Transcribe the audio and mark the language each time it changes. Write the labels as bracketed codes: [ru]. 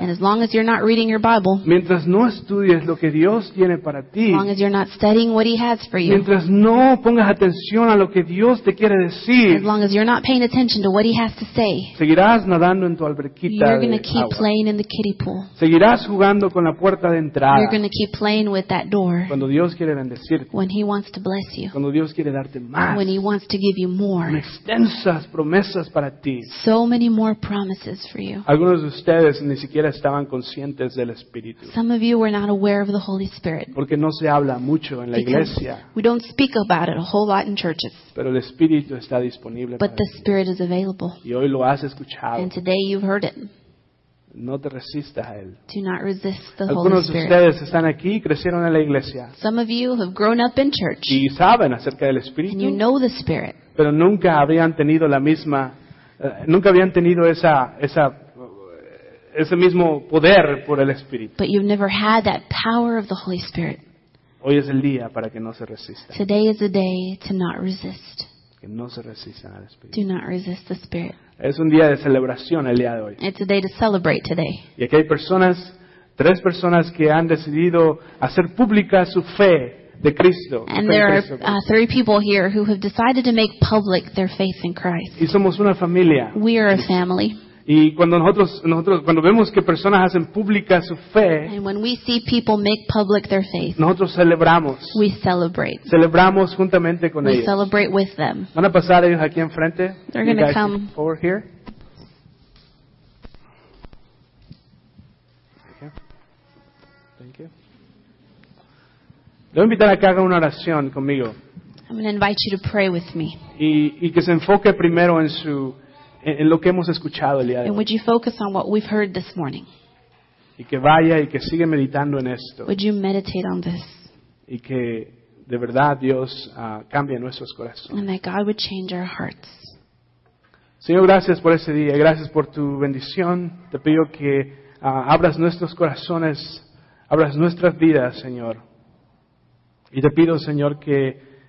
[en] And as long as you're not reading your Bible. [es] Mientras no estudies lo que Dios tiene para ti. [en] As long as you're not studying what He has for you. [es] Mientras no pongas atención a lo que Dios te quiere decir. [en] As long as you're not paying attention to what He has to say. [es] Seguirás nadando en tu alberquita de agua. [en] You're going to keep playing in the kiddie pool. [es] Seguirás jugando con la puerta de entrada. [en] You're going to keep playing with that door. [es] Cuando Dios quiere bendecirte. [en] When He wants to bless you. [es] Cuando Dios quiere darte más. [en] When He wants to give you more. [es] Extensas promesas para ti. [en] So many more promises for you. [es] Algunos de ustedes ni siquiera estaban conscientes del Espíritu. [en] Some of you were not aware of the Holy Spirit. [es] Porque no se habla mucho en la iglesia. [en] We don't speak about it a whole lot in churches. [es] Pero el Espíritu está disponible para ti. [en] But the Spirit is available. [es] Y hoy lo has escuchado. [en] And today you've heard it. [es] No te resistas a él. [en] Do not resist the [es] Algunos [en] Holy Spirit. [es] Algunos de ustedes están aquí y crecieron en la iglesia. [en] Some of you have grown up in church. [es] Y saben acerca del Espíritu. [en] And you know the Spirit. [es] Pero nunca habían tenido la misma, nunca habían tenido ese mismo poder por el Espíritu. [en] But you've never had that power of the Holy Spirit. [es] Hoy es el día para que no se resista. [en] Today is the day to not resist. [es] Que no se resistan al Espíritu. [en] Do not resist the Spirit. [es] Es un día de celebración el día de hoy. [en] It's a day to celebrate today. [es] Y aquí hay personas, tres personas que han decidido hacer pública su fe de Cristo. [en] And there are three people here who have decided to make public their faith in Christ. [es] Y somos una familia. [en] We are a family. [es] Y cuando nosotros cuando vemos que personas hacen pública su fe, [en] and when we see people make public their faith, [es] nosotros celebramos. [en] We celebrate. [es] Celebramos juntamente con ellos. [en] We celebrate with them. [es] Van a pasar ellos aquí enfrente. [en] They're going to come over here. Thank you. [es] Voy a invitar a que hagan una oración conmigo. [en] I'm going to invite you to pray with me. [es] Y que se enfoque primero en su en lo que hemos escuchado el día de hoy. [en] And would you focus on what we've heard this morning? [es] Y que vaya y que siga meditando en esto. [en] Would you meditate on this? [es] Y que de verdad Dios cambie nuestros corazones. [en] And that God would change our hearts. [es] Señor, gracias por ese día. Gracias por tu bendición. Te pido que abras nuestros corazones, abras nuestras vidas, Señor. Y te pido, Señor, que